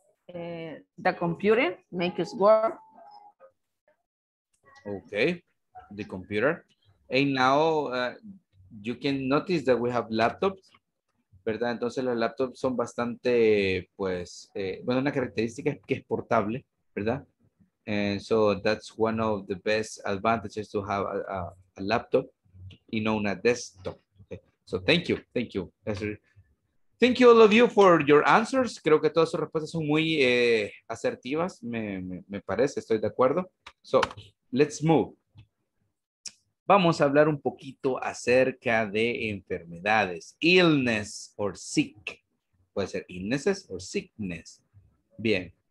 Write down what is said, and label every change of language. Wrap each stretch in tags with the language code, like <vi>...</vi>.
<en>The computer makes work. Okay, the computer. And now you can notice that we have laptops, ¿verdad?</en> <es>Entonces las laptops son bastante, pues, bueno, una característica que es portable, ¿verdad?</es> <en>And so that's one of the best advantages to have a laptop</en> <es>y no una desktop.</es> <en>Okay. So thank you, Esther. Thank you all of you for your answers.</en> <es>Creo que todas sus respuestas son muy asertivas, me parece, estoy de acuerdo.</es> <en>So, let's move.</en> <es>vamos a hablar un poquito acerca de enfermedades.</es> <en>Illness or sick.</en> <es>Puede ser</es> <en>illnesses or sickness. Bien.</en>